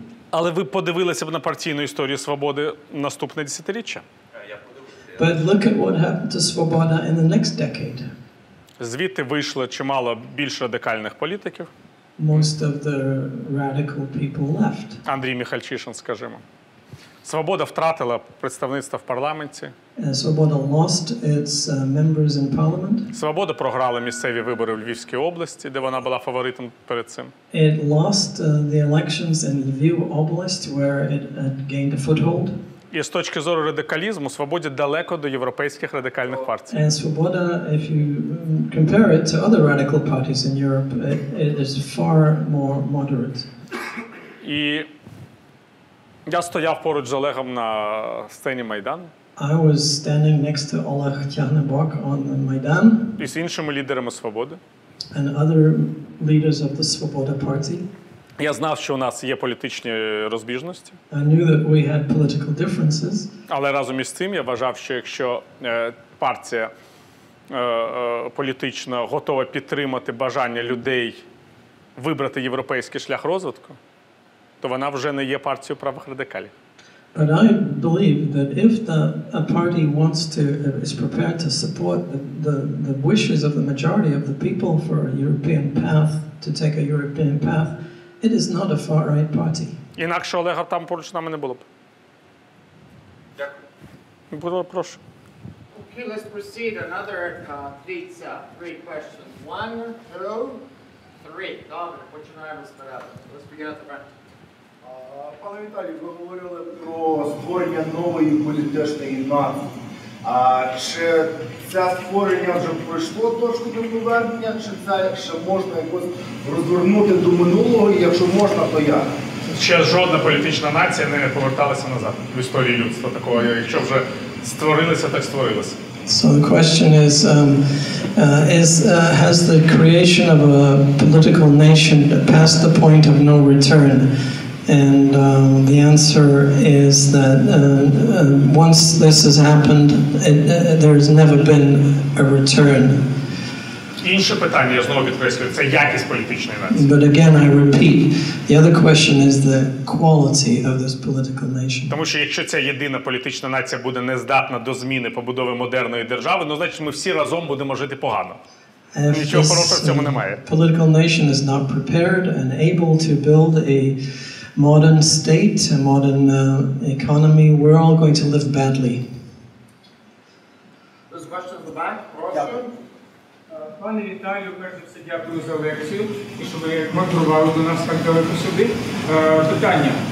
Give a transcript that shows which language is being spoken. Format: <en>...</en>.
<uk>Але ви подивилися б на партійну історію Свободи наступне десятиріччя?</uk> <en>But look at what happened to Svoboda in the next decade.</en> <uk>Звідти вийшло чимало більш радикальних політиків.</uk> <en>Most of the radical people left.</en> <uk>Андрій Михальчишин, скажімо. Свобода втратила представництво в парламенті.</uk> <en>Свобода lost its members in parliament.</en> <uk>Свобода програла місцеві вибори в Львівській області, де вона була фаворитом перед цим.</uk> <en>It lost the elections in Lviv oblast where it had gained a foothold.</en> <uk>І з точки зору радикалізму, Свободі далеко до європейських радикальних партій.</uk> <en>And Svoboda, if you compare it to other radical parties in Europe, it is far more moderate.</en> <uk>І я стояв поруч з Олегом на сцені Майдану.</uk> <en>I was standing next to Oleg Tjahnebok on the Майдан.</en> <uk>І з іншими лідерами Свободи.</uk> <en>And other leaders of the Svoboda party.</en> <uk>Я знав, що у нас є політичні розбіжності.</uk> <en>I knew that we had political differences.</en> <uk>Але разом із цим я вважав, що якщо партія політично готова підтримати бажання людей вибрати європейський шлях розвитку, то вона вже не є партією правих радикалів.</uk> <en>But I believe that if a party wants to is prepared to support the wishes of the majority of the people for a European path, to take a European path, it is not a far right party.</en> <uk>Інакше Олега там поруч нами не було б. Дякую. Будь ласка, прошу.</uk> <en>Okay, let's proceed. Another three questions. One, two, three.</en> <uk>Добре, починаємо з порядку.</uk> <en>Let's begin at the front.</en> <uk>Пане Віталій, ви говорили про створення нової політичної нації. Чи це створення вже пройшло точку до повернення, чи це ще можна якось розвернути до минулого, і якщо можна, то як? Ще жодна політична нація не поверталася назад в історії людства такого. Якщо вже створилися, так створилися.</uk> <en>So the question has the creation of a political nation passed the point of no return? And the answer is that once this has happened, there has never been a return.</en> <uk>Інше питання, я знову підкреслюю, це якість політичної нації.</uk> <en>But again, I repeat, the other question is the quality of this political nation.</en> <uk>Тому що якщо ця єдина політична нація буде не здатна до зміни побудови модерної держави, ну, значить, ми всі разом будемо жити погано. Нічого хорошого в цьому немає.</uk> <en>Political nation is not prepared and able to build a modern state, a modern economy, we're all going to live badly. There's a question at the back,</en> <uk>прошу. Пане Віталію, перш за все, дякую за лекцію, і що ви контролювали до нас так далеко сюди. Питання.</uk>